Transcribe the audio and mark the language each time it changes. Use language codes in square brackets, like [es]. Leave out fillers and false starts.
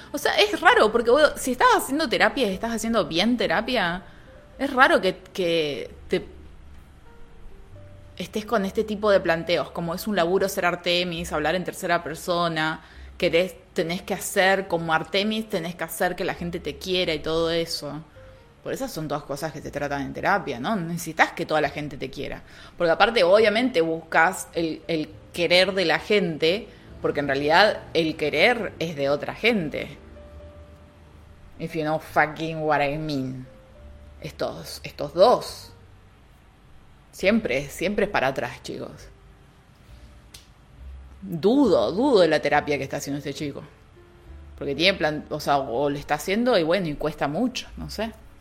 [es] O sea, es raro, porque bueno, si estás haciendo terapia y estás haciendo bien terapia, es raro que te estés con este tipo de planteos, como es un laburo ser Artemis, hablar en tercera persona, tenés que hacer como Artemis, tenés que hacer que la gente te quiera y todo eso. Por esas son todas cosas que te tratan en terapia, ¿no? Necesitas que toda la gente te quiera. Porque aparte, obviamente, buscas el querer de la gente, porque en realidad el querer es de otra gente. [en] If you know fucking what I mean. [es] Estos dos. Siempre es para atrás, chicos. Dudo de la terapia que está haciendo este chico. Porque tiene plan, o sea, o le está haciendo y bueno, y cuesta mucho, no sé.